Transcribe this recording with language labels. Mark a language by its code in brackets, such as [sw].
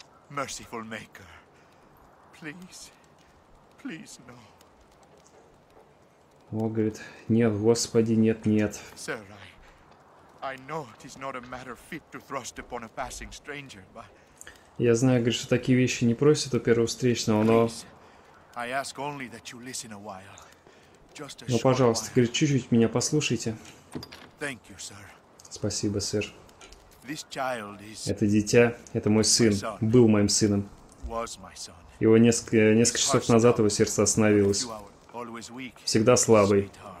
[en] Merciful Maker, please, please, no. [ru] О, говорит, нет, господи, нет, нет. [en] Sir, I know it is not a matter fit to thrust upon a passing stranger, but... [ru] Я знаю, говорит, что такие вещи не просят у первого встречного, но... [en] Please, I ask only that you listen a while. Just a short while. [ru] Ну, пожалуйста, говорит, чуть-чуть меня послушайте. [en] Thank you, sir. [ru] Спасибо, сэр. [en] This child is... [ru] Это дитя, это мой сын, был моим сыном. [en] Was my son. [ru] Его несколько часов назад его сердце остановилось. Всегда слабый.